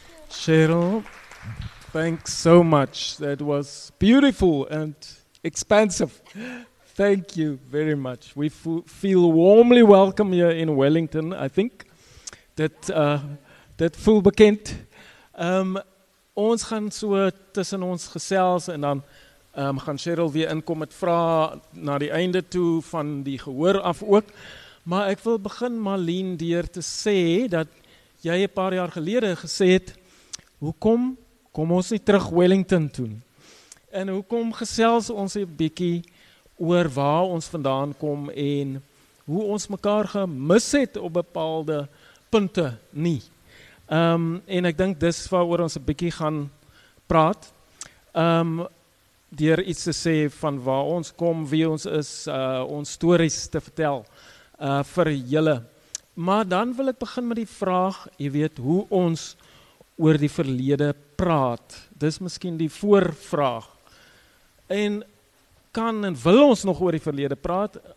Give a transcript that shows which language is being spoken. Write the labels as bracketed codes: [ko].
[en] Cheryl, thanks so much. That was beautiful and expansive. Thank you very much. We feel warmly welcome here in Wellington, I think. [af] Dit voel bekend. Ons gaan so tussen ons gesels en dan gaan Cheryl weer inkom met vrae na die einde toe van die gehoor af ook. Maar ek wil begin, Marlene, deur te sê dat jy 'n paar jaar gelede gesê het, hoekom kom ons nie terug Wellington toe? En hoekom gesels ons 'n bietjie oor waar ons vandaan kom en hoe ons mekaar gemis het op bepaalde punte nie. En ek dink dis waaroor ons 'n bietjie gaan praat. Deur iets te sê van waar ons kom, wie ons is, ons stories te vertel vir julle. Maar dan wil ek begin met die vraag, jy weet, hoe ons oor die verlede praat. Dis miskien die voorvraag. En kan en wil ons nog oor die verlede praat?